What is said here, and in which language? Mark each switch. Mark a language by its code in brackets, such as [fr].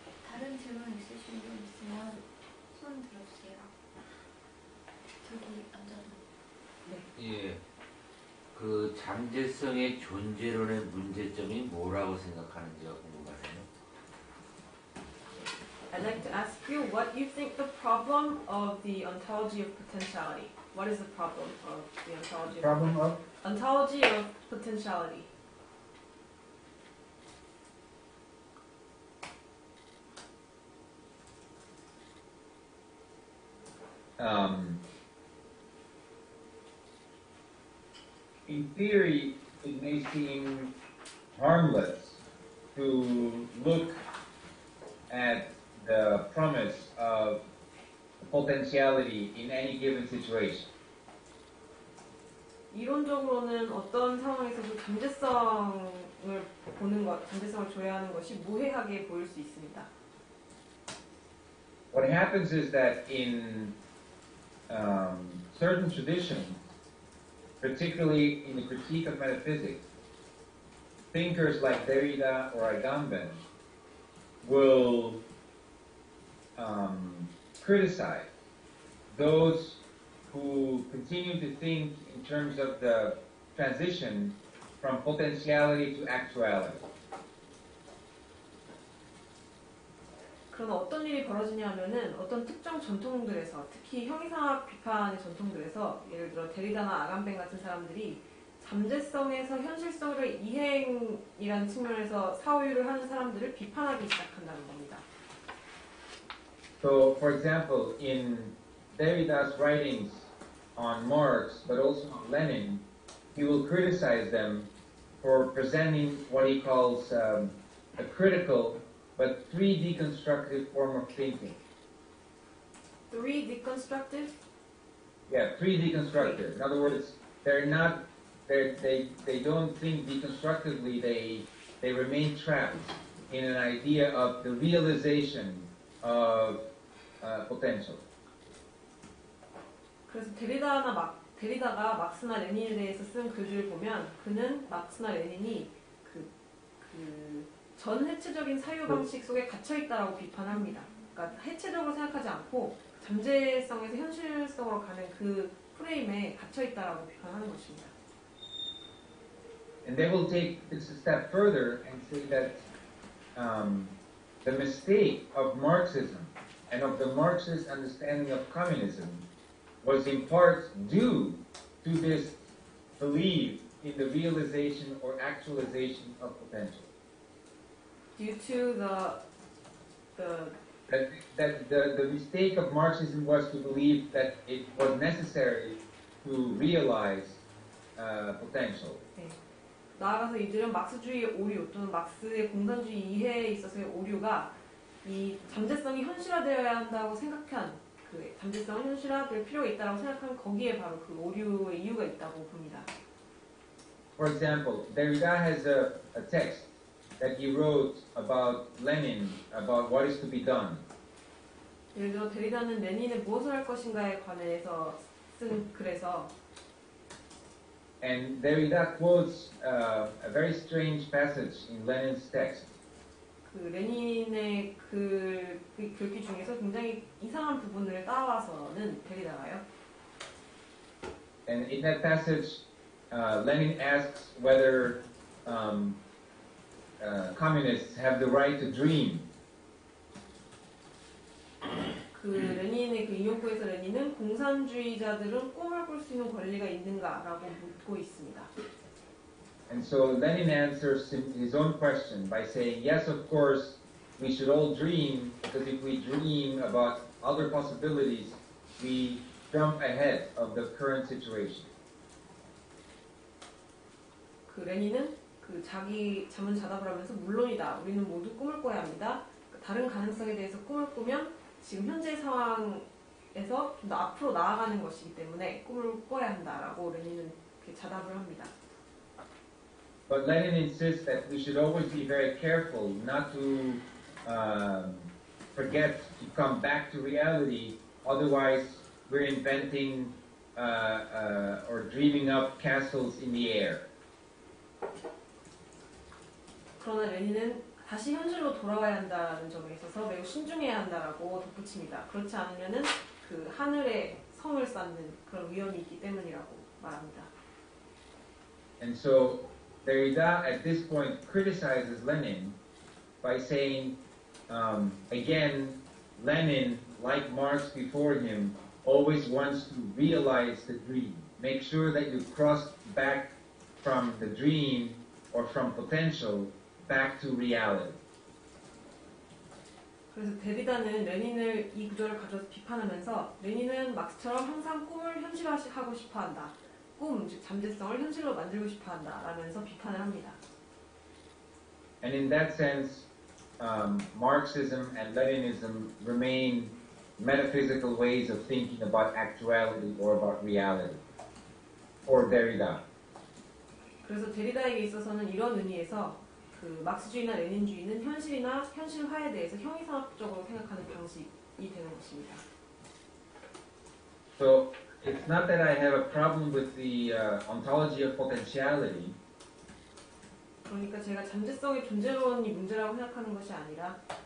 [ko] 다른 질문 있으신 분 있으면 손 들어주세요. 저기 앉아서. 네. 예. 그 잠재성의 존재론의 문제점이 뭐라고 생각하는지 궁금하네요. [en] I'd like to ask you what you think the problem of the ontology of potentiality. What is the problem of the ontology? Problem of? Ontology of potentiality. In theory, it may seem harmless to look at the promise of potentiality in any given situation. [ko] 이론적으로는 어떤 상황에서도 잠재성을 보는 것, 잠재성을 조회하는 것이 무해하게 보일 수 있습니다. [en] What happens is that in certain traditions, particularly in the critique of metaphysics, thinkers like Derrida or Agamben will criticize those who continue to think in terms of the transition from potentiality to actuality. [ko] 그럼 어떤 일이 벌어지냐면은 어떤 특정 전통들에서 특히 형이상학 비판의 전통들에서 예를 들어 데리다나 아간벤 같은 사람들이 잠재성에서 현실성을 이행이라는 측면에서 사후유를 하는 사람들을 비판하기 시작한다는 겁니다. [en] So, for example, in Derrida's writings on Marx, but also on Lenin, he will criticize them for presenting what he calls a critical but three deconstructive form of thinking. Three deconstructive? Yeah, three deconstructive. In other words, they don't think deconstructively. They remain trapped in an idea of the realization of potential. [ko] 그래서 데리다가 마크스나 레닌에 대해서 쓴 글을 보면 그는 마크스나 레닌이 그 전 해체적인 사유 방식 속에 갇혀 있다라고 비판합니다. 그러니까 해체적으로 생각하지 않고 잠재성에서 현실성으로 가는 그 프레임에 갇혀 있다라고 비판하는 것입니다. [en] And they will take this a step further and say that the mistake of Marxism and of the Marxist understanding of communism was in part due to this belief in the realization or actualization of potential. Due to the mistake of Marxism was to believe that it was necessary to realize potential. [ko] 네. 나아가서 이들은 마크스주의의 오류 또는 마크스의 공산주의 이해에 있어서의 오류가 이 잠재성이 현실화되어야 한다고 생각한 그 잠재성 현실화될 필요가 있다고 생각한 거기에 바로 그 오류의 이유가 있다고 봅니다. [en] For example, Derrida has a text that he wrote about Lenin about what is to be done. [ko] 예를 들어 데리다는 레닌의 무엇을 할 것인가에 관해서 쓴 글에서 [en] And Derrida quotes a very strange passage in Lenin's text. [ko] 그 레닌의 그 글귀 중에서 굉장히 이상한 부분을 따와서는 데리다가요. [en] And in that passage, Lenin asks whether communists have the right to dream. [ko] 그 레닌의 그 인용구에서 레닌은 공산주의자들은 꿈을 꿀 수 있는 권리가 있는가라고 묻고 있습니다. [en] And so Lenin answers his own question by saying, "Yes, of course, we should all dream because if we dream about other possibilities, we jump ahead of the current situation." [ko] 그 레닌은 그 자기 잠은 자답을 하면서 물론이다. 우리는 모두 꿈을 꿔야 합니다. 다른 가능성에 대해서 꿈을 꾸면 지금 현재 상황에서 좀 더 앞으로 나아가는 것이기 때문에 꿈을 꿔야 한다라고 레닌은 자답을 합니다. [en] But Lenin insists that we should always be very careful not to forget to come back to reality. Otherwise, we're inventing or dreaming up castles in the air. [ko] 그러나 레닌은 다시 현실로 돌아와야 한다는 점에 있어서 매우 신중해야 한다라고 덧붙입니다. 그렇지 않으면은 그 하늘에 성을 쌓는 그런 위험이 있기 때문이라고 말합니다. [en] And so Derrida at this point criticizes Lenin by saying again Lenin like Marx before him always wants to realize the dream. Make sure that you cross back from the dream or from potential back to reality. [ko] 그래서 데리다는 레닌을 이 구절을 가져서 비판하면서 레닌은 마크스처럼 항상 꿈을 현실화하고 싶어 한다. 꿈, 즉 잠재성을 현실로 만들고 싶어 한다라면서 비판을 합니다. [en] And in that sense, Marxism and Leninism remain metaphysical ways of thinking about actuality or about reality. For Derrida. [ko] 그래서 데리다에게 있어서는 이런 의미에서 그 마크스주의나 레닌주의는 현실이나 현실화에 대해서 형이상학적으로 생각하는 방식이 되는 것입니다. [en] So it's not that I have a problem with the ontology of potentiality. [ko] 그러니까 제가 잠재성의 존재론이 문제라고 생각하는 것이 아니라